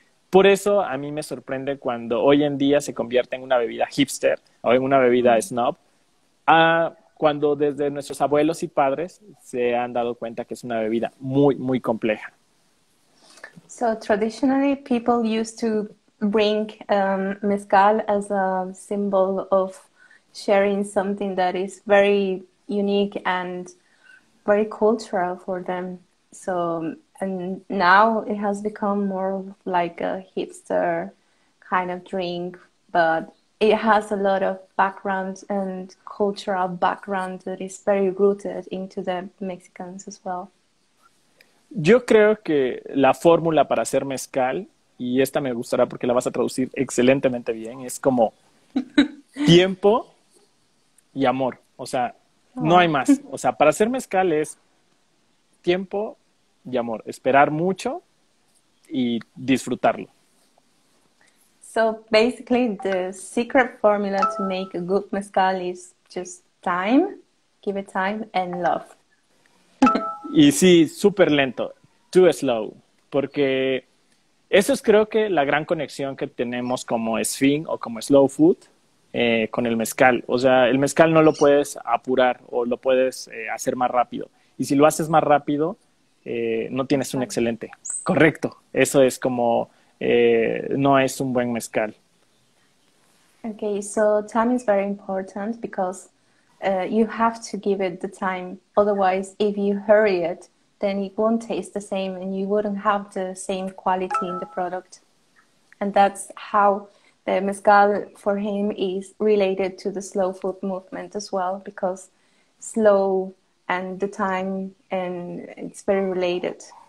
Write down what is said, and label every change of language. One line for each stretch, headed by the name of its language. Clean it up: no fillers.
Spanish: Por eso a mí me sorprende cuando hoy en día se convierte en una bebida hipster o en una bebida snob, a cuando desde nuestros abuelos y padres se han dado cuenta que es una bebida muy, muy compleja.
English: So traditionally, people used to bring mezcal as a symbol of sharing something that is very unique and very cultural for them. So, and now it has become more like a hipster kind of drink, but it has a lot of background and cultural background that is very rooted into the Mexicans as well.
Spanish: Yo creo que la fórmula para hacer mezcal, y esta me gustará porque la vas a traducir excelentemente bien, es como tiempo y amor. O sea, no hay más. O sea, para hacer mezcal es tiempo y amor. Esperar mucho y disfrutarlo.
English: So basically the secret formula to make a good mezcal is just time, give it time and love.
Spanish: Y sí, súper lento,
English: too slow,
Spanish: porque eso es creo que la gran conexión que tenemos como Sphinx o como Slow Food con el mezcal. O sea, el mezcal no lo puedes apurar o lo puedes hacer más rápido. Y si lo haces más rápido, no tienes un excelente. Correcto, eso es como, no es un buen mezcal.
English: Okay, so time is very important because you have to give it the time. Otherwise, if you hurry it, then it won't taste the same and you wouldn't have the same quality in the product. And that's how the mezcal for him is related to the slow food movement as well, because slow and the time, and it's very related.